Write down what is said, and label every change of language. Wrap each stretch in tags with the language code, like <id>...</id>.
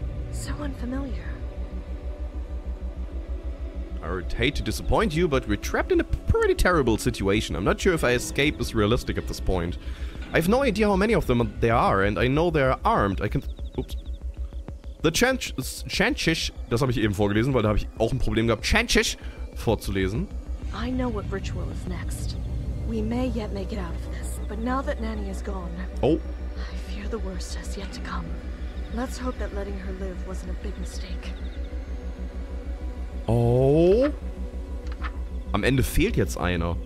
<en>So unfamiliar. I would hate to disappoint you, but we're trapped in a pretty terrible situation. I'm not sure if I escape is realistic at this point. I have no idea how many of them there are, and I know they're armed. I can... Oops. The Chanchish...</en> <de>Das habe ich eben vorgelesen, weil da habe ich auch ein Problem gehabt, Chanchish vorzulesen.</de> <en>I know what ritual is next. We may yet make it out of this, but now that Nanny is gone... Oh. I fear the worst has yet to come. Let's hope that letting her live wasn't a big mistake.</en> <de>Oh. Am Ende fehlt jetzt einer.</de>